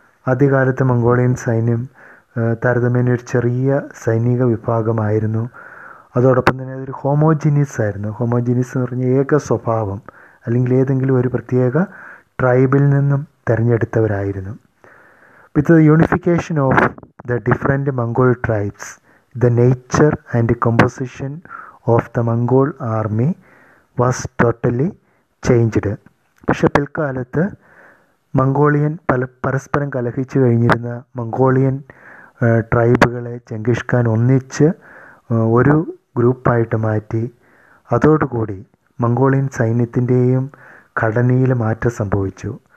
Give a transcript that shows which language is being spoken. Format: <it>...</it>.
<ml>ആദ്യകാലത്ത് മംഗോളിയൻ സൈന്യം താരതമ്യേന ഒരു ചെറിയ സൈനിക വിഭാഗമായിരുന്നു. അതോടൊപ്പം തന്നെ അതൊരു ഹോമോജീനിയസ് ആയിരുന്നു. ഹോമോജീനിയസ് എന്ന് പറഞ്ഞാൽ ഏക സ്വഭാവം, അല്ലെങ്കിൽ ഏതെങ്കിലും ഒരു പ്രത്യേക ട്രൈബിൽ നിന്നും തിരഞ്ഞെടുത്തവരായിരുന്നു.</ml> <en>With the unification of the different Mongol tribes The nature and composition of the Mongol army was totally changed.</en> <ml>പക്ഷെ പിൽക്കാലത്ത് മംഗോളിയൻ പരസ്പരം കലഹിച്ചു കഴിഞ്ഞിരുന്ന മംഗോളിയൻ ട്രൈബുകളെ ചെങ്കിസ് ഖാൻ ഒന്നിച്ച് ഒരു ഗ്രൂപ്പായിട്ട് മാറ്റി. അതോടുകൂടി മംഗോളിയൻ സൈന്യത്തിൻ്റെയും ഘടനയിൽ മാറ്റം സംഭവിച്ചു.</ml>